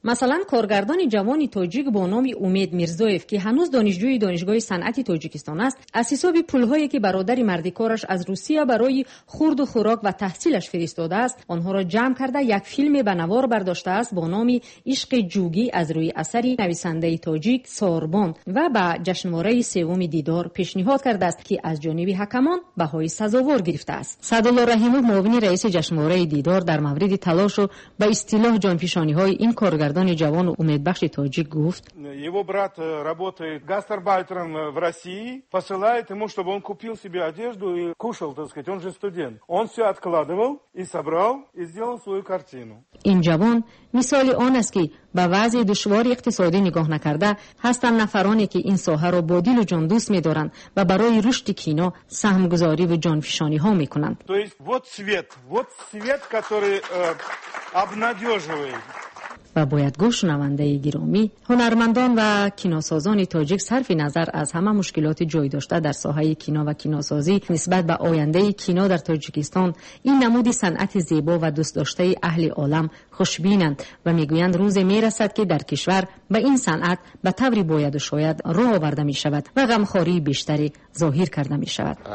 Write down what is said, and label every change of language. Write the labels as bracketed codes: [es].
[fa] مثلا کارگردان جوان تاجیک با نام امید میرزایف که هنوز دانشجوی دانشگاه صنعت تاجیکستان است، از حساب پولهایی که برادر مردی کارش از روسیه برای خورد و خوراک و تحصیلش فرستاده است، آنها را جمع کرده یک فیلم بنوار برداشته است با نام عشق جوگی از روی اثر نویسنده تاجیک ساربان و به جشنواره سوم دیدار پیشنهاد کرده است که از جانب حکمان بهای سزاوار گرفته است. سعدالله رحیموف معاون رئیس جشنواره دیدار در مورد تلاش و به اصطلاح جانفشانی های این کارگردان جوان و امیدبخش تاجیک گفت: [ru] его брат работает гастарбайтером в России, посылает ему, чтобы он купил себе одежду и кушал, так сказать, он же студент. Он всё откладывал и собрал и сделал свою картину. [fa] این جوان مثال آن است که با وضع دشوار اقتصادی نگاه نکرده هستند نفرانی که این ساحه را با دل و جان دوست می‌دارند و برای رشد کینا سهم‌گذاری و جانفشانی ها می‌کنند. [ru] То есть вот свет, вот свет, который обнадеживает. [fa] و باید گوش نونده گرامی، هنرمندان و کیناسازان تاجیک صرف نظر از همه مشکلات جای داشته در ساحه کینا و کیناسازی نسبت به آینده کینا در تاجیکستان، این نمود صنعت زیبا و دوست داشته اهل عالم خوشبینند و میگویند روزی میرسد که در کشور به این صنعت به طوری باید و شاید رو آورده می شود و غمخواری بیشتری ظاهر کرده می شود.